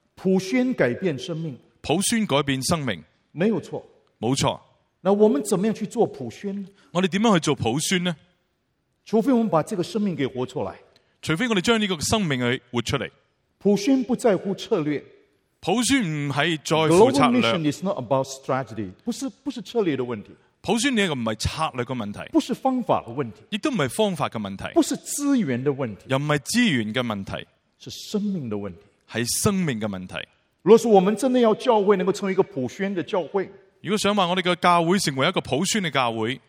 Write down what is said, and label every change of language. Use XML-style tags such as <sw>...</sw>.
<zh>普宣改变生命，普宣改变生命，没有错，没错。那我们怎么样去做普宣呢？我们怎么样去做普宣呢？除非我们把这个生命给活出来，除非我们将这个生命给活出来。普宣不在乎策略，普宣不是在乎策略。</zh> <en>Global mission is not about strategy，</en> <zh>不是策略的问题。普宣这个不是策略的问题，不是方法的问题，也都不是方法的问题，不是资源的问题，也不是资源的问题，是生命的问题，是生命的问题。如果说我们真的要教会能够成为一个普宣的教会，如果想说我们的教会成为一个普宣的教会，</zh>